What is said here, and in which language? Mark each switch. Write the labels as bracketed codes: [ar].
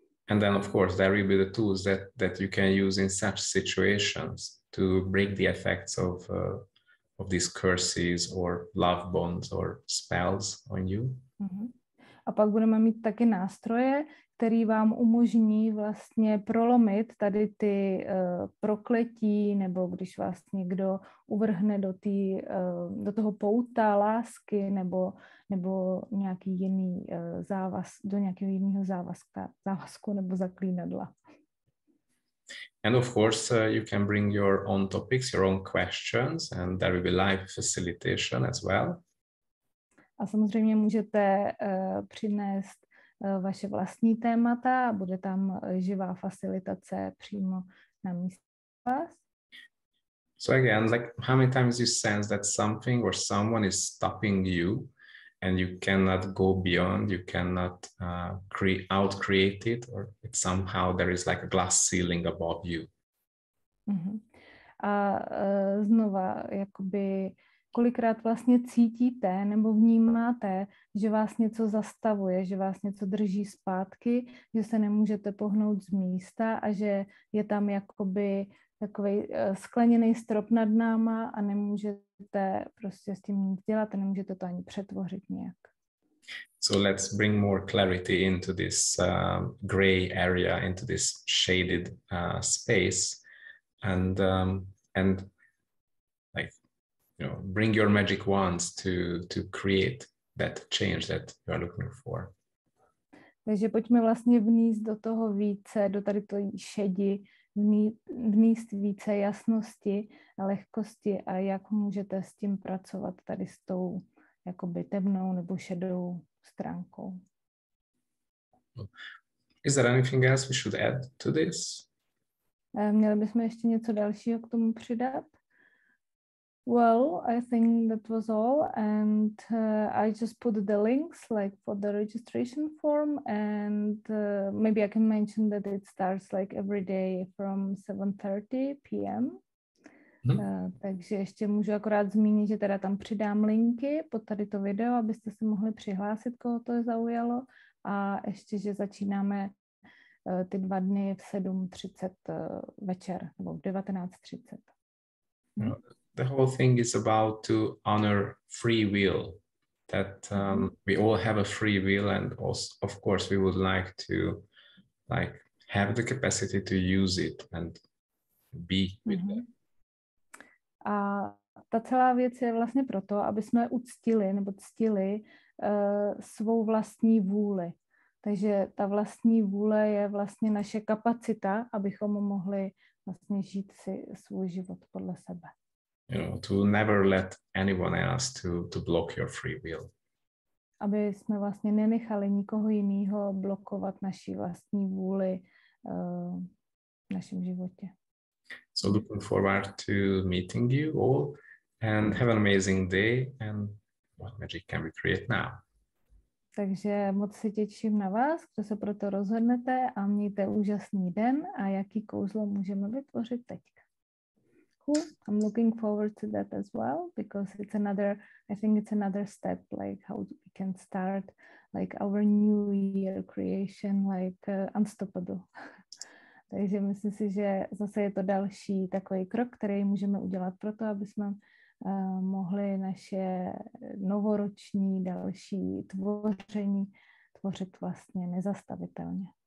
[en] And then of course there will be the tools that you can use in such situations to break the effects of these curses or love bonds or spells on you. Mm-hmm. [cs] A pak budeme mít taky nástroje, které vám umožní vlastně prolomit tady ty prokletí, nebo když vás někdo uvrhne do toho pouta lásky nebo nějaký jiný závazku, do nějakého jiného závazku nebo zaklínadla. [en] And of course, you can bring your own topics, your own questions, and there will be live facilitation as well. [cs] A samozřejmě můžete přinést vaše vlastní témata a bude tam živá facilitace přímo na místě vás. [en] So again, like how many times you sense that something or someone is stopping you and you cannot go beyond, you cannot create it, or it somehow there is like a glass ceiling above you. Mm-hmm. [cs] A znova, jakoby kolikrát vlastně cítíte nebo vnímáte, že vás něco zastavuje, že vás něco drží zpátky, že se nemůžete pohnout z místa a že je tam jakoby takový skleněný strop nad náma a nemůžete prostě s tím nic dělat a nemůžete to ani přetvořit nějak. [en] So let's bring more clarity into this gray area, into this shaded space and you know, bring your magic wands to create that change that you are looking for. [cs] Takže pojďme vlastně vníst do toho více, do tady to šedi, vníst více jasnosti, lehkosti a jak můžete s tím pracovat tady s tou jakoby temnou nebo šedou stránkou. [en] Is there anything else we should add to this? [cs] Měli bychom ještě něco dalšího k tomu přidat? [en] Well, I think that was all, and I just put the links like for the registration form, and maybe I can mention that it starts like every day from 7:30 p.m. [cs] Takže ještě můžu akorát zmínit, že teda tam přidám linky pod tady to video, abyste se mohli přihlásit, koho to je zaujalo, a ještě, že začínáme ty dva dny v 7:30 večer, nebo v 19:30. [en] The whole thing is about to honor free will. that we all have a free will, and also, of course, we would like to like have the capacity to use it and be with them. [cs] A ta celá věc je vlastně proto, aby jsme uctili nebo ctili svou vlastní vůli. Takže ta vlastní vůle je vlastně naše kapacita, abychom mohli vlastně žít si svůj život podle sebe. [en] You know, to never let anyone else to block your free will. [cs] Aby jsme vlastně nenechali nikoho jiného blokovat naší vlastní vůli v našem životě. [en] So looking forward to meeting you all and have an amazing day and what magic can we create now. [cs] Takže moc se těším na vás, kdo se proto rozhodnete, a mějte úžasný den a jaký kouzlo můžeme vytvořit teďka. [en] Cool. I'm looking forward to that as well because it's another, I think it's another step, like how we can start like our new year creation, like unstoppable. [cs] Takže myslím si, že zase je to další takový krok, který můžeme udělat pro to, aby jsme mohli naše novoroční další tvoření tvořit vlastně nezastavitelně.